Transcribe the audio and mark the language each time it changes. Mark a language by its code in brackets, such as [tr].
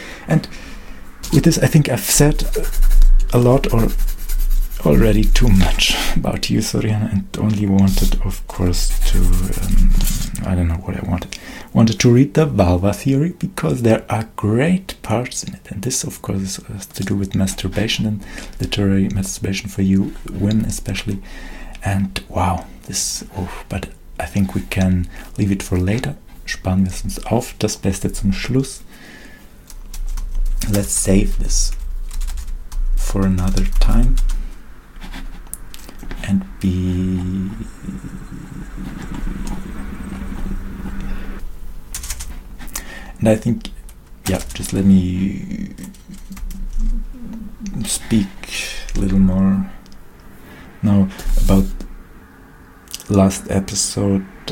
[en] And with this, I think I've said a lot, or already too much, about you, Soriana, and only wanted, of course, to I don't know what I wanted to read the vulva theory, because there are great parts in it, and this of course has to do with masturbation and literary masturbation for you women especially. And wow, this but I think we can leave it for later. [de] Sparen wir uns auf, das Beste zum Schluss. [en] Let's save this for another time. And be and I think, yeah, just let me speak a little more now about last episode.